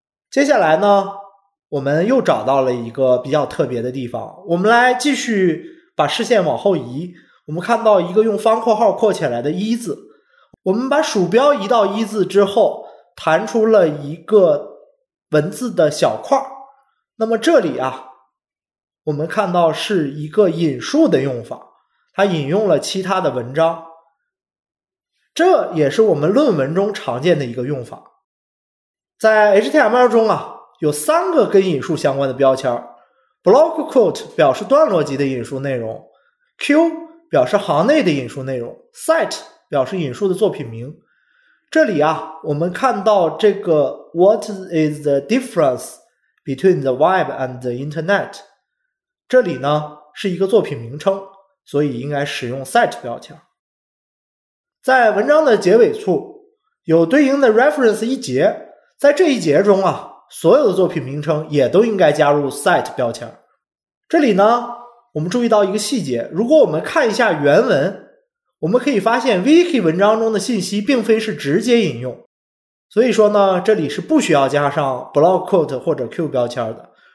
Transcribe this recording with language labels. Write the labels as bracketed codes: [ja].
[zh] 接下来呢我们又找到了一个比较特别的地方，我们来继续把视线往后移，我们看到一个用方括号括起来的一字，我们把鼠标移到一字之后弹出了一个文字的小块，那么这里啊我们看到是一个引述的用法，它引用了其他的文章，这也是我们论文中常见的一个用法。在 HTML 中啊有三个跟引述相关的标签， block quote 表示段落级的引述内容， q 表示行内的引述内容， cite 表示引述的作品名。这里啊我们看到这个 [en] What is the difference between the web and the internet? [zh] 这里呢是一个作品名称，所以应该使用 cite 标签。在文章的结尾处有对应的 reference 一节，在这一节中啊所有的作品名称也都应该加入 cite 标签。这里呢我们注意到一个细节，如果我们看一下原文，我们可以发现 Wiki 文章中的信息并非是直接引用，所以说呢这里是不需要加上 block quote 或者 q 标签的。